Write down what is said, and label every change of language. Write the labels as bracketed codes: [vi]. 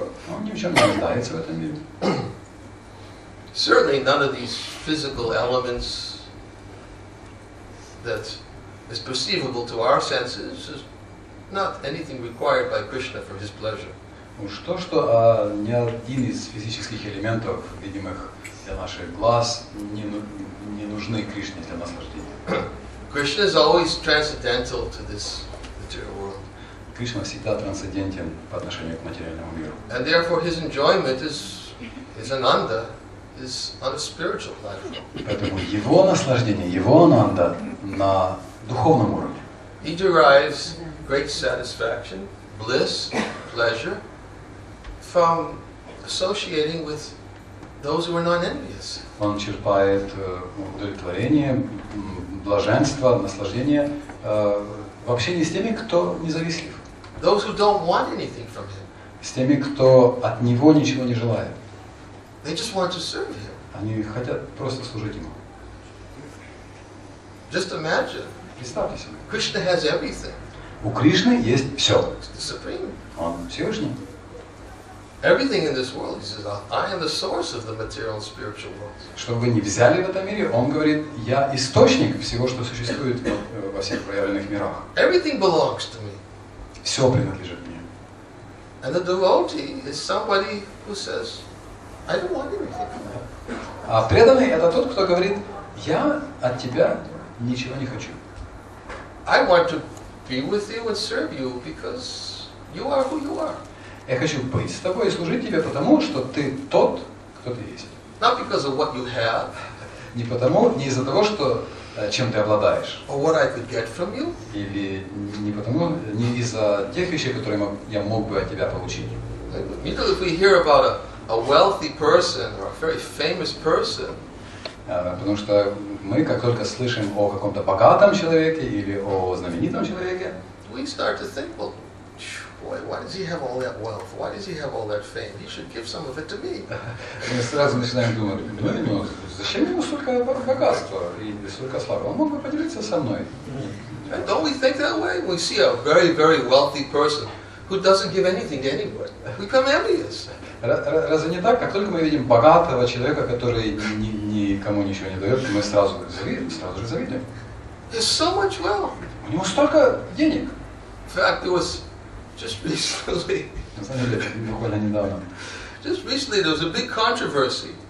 [ru] Он ни в чем не нуждается в этом мире. [en] Certainly none of these physical elements that is perceivable to our senses is not anything required by Krishna for his pleasure. [ru] Уж то, что ни один из физических элементов, видимых для наших глаз, не нужны Кришне для наслаждения. [en] Krishna is always transcendental to this material world. [ru] Кришна всегда трансцендентен по отношению к материальному миру. [en] And therefore his enjoyment is ananda. Is on a spiritual platform. [ru] Поэтому его наслаждение, его ананда на духовном уровне. [en] He derives great satisfaction, bliss, pleasure from associating with those who are non-envious. [ru] Он черпает удовлетворение, блаженство, наслаждение в общении с теми, кто независлив. [en] Those who don't want anything from him. [ru] С теми, кто от него ничего не желает. [en] They just want to serve him. [ru] Они хотят просто служить ему. [en] Just imagine. [ru] Представьте себе. [en] Krishna has everything. [ru] У Кришны есть все. [en] He's the supreme. [ru] Он Всевышний. [en] Everything in this world, he says, I am the source of the material and spiritual worlds. [ru] Что бы вы ни взяли в этом мире, он говорит, я источник всего, что существует во всех проявленных мирах. [en] Everything belongs to me. [ru] Все принадлежит мне. [en] And the devotee is somebody who says. I don't want anything. [ru] А преданный это тот, кто говорит, я от тебя ничего не хочу. [en] I want to be with you and serve you because you are who you are. [ru] Я хочу быть с тобой и служить тебе, потому что ты тот, кто ты есть. [en] Not because of what you have. [ru] Не потому, не из-за того, что чем ты обладаешь. [en] Or what I could get from you. [ru] Или не потому, не из-за тех вещей, которые я мог бы от тебя получить. [en] Even if we hear about a wealthy person or a very famous person. [ru] Потому что мы как только слышим о каком-то богатом человеке или о знаменитом человеке, [en] we start to think, well, boy, why does he have all that wealth? Why does he have all that fame? He should give some of it to me. [ru] Мы сразу начинаем думать, ну, зачем ему столько богатства и столько славы? Он мог бы поделиться со мной. [en] And don't we think that way? We see a very, very wealthy person who doesn't give anything to anyone. We become envious. [ru] Разве не так? Как только мы видим богатого человека, который никому ничего не дает, мы сразу завидуем, сразу же завидуем. [en] There's so much wealth. [ru] У него столько денег. [en] In fact, it was just recently. [ru] Буквально недавно. [en] Just recently there was a big controversy.